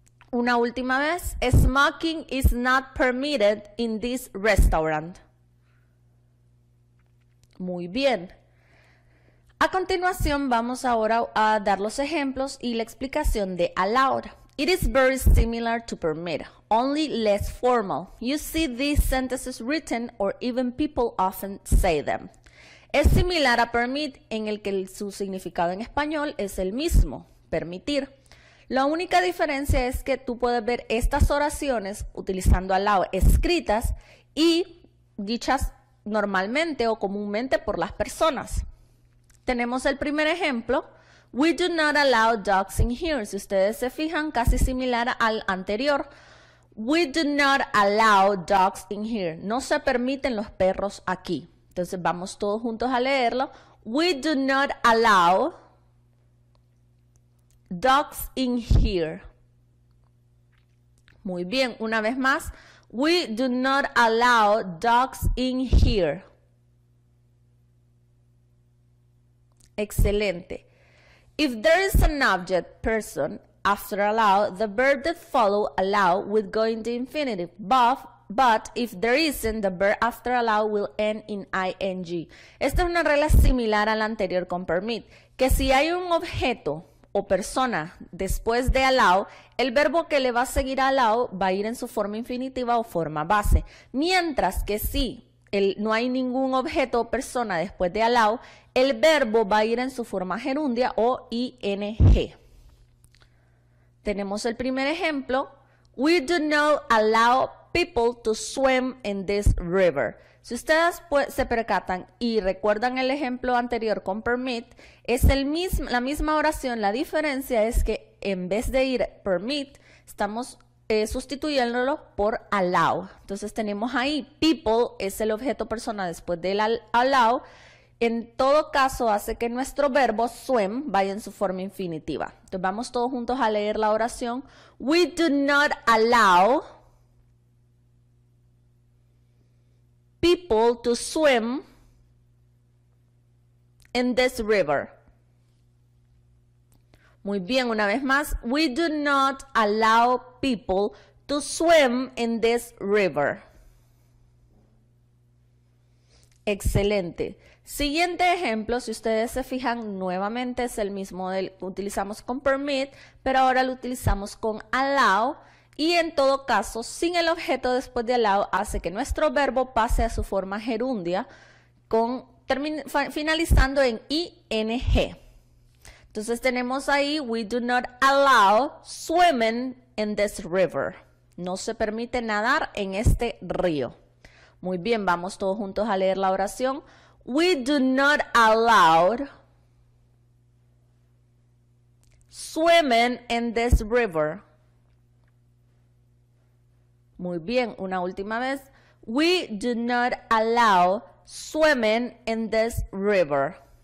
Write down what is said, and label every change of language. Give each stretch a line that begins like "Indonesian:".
Spanish: Una última vez.
English: Smoking is not permitted in this restaurant.
Spanish: Muy bien. A continuación, vamos ahora a dar los ejemplos y la explicación de allowed.
English: It is very similar to permit, only less formal. You see these sentences written or even people often say them.
Spanish: Es similar a permit en el que su significado en español es el mismo, permitir. La única diferencia es que tú puedes ver estas oraciones utilizando allow escritas y dichas normalmente o comúnmente por las personas. Tenemos el primer ejemplo.
English: We do not allow dogs in here.
Spanish: Si ustedes se fijan, casi similar al anterior.
English: We do not allow dogs in here.
Spanish: No se permiten los perros aquí. Entonces vamos todos juntos a leerlo.
English: We do not allow dogs in here.
Spanish: Muy bien, una vez más.
English: We do not allow dogs in here.
Spanish: Excelente.
English: If there is an object, person, after allow, the verb that follow allow will go in the infinitive. But if there isn't, the verb after allow will end in ing.
Spanish: Esta es una regla similar a la anterior con permit. Que si hay un objeto o persona después de allow, el verbo que le va a seguir a allow va a ir en su forma infinitiva o forma base. Mientras que si no hay ningún objeto o persona después de allow, el verbo va a ir en su forma gerundia o ing. Tenemos el primer ejemplo.
English: We do not allow people to swim in this river.
Spanish: Si ustedes se percatan y recuerdan el ejemplo anterior con permit, es la misma oración. La diferencia es que en vez de ir permit, estamos sustituyéndolo por allow. Entonces tenemos ahí people es el objeto persona después del allow. En todo caso, hace que nuestro verbo swim vaya en su forma infinitiva. Entonces, vamos todos juntos a leer la oración.
English: We do not allow people to swim in this river.
Spanish: Muy bien, una vez más.
English: We do not allow people to swim in this river.
Spanish: Excelente. Siguiente ejemplo, si ustedes se fijan nuevamente, es el mismo del que utilizamos con permit, pero ahora lo utilizamos con allow y en todo caso, sin el objeto después de allow, hace que nuestro verbo pase a su forma gerundia con finalizando en ing. Entonces tenemos ahí,
English: we do not allow swimming in this river.
Spanish: No se permite nadar en este río. Muy bien, vamos todos juntos a leer la oración.
English: We do not allow swimming in this river.
Spanish: Muy bien, una última vez.
English: We do not allow swimming in this river.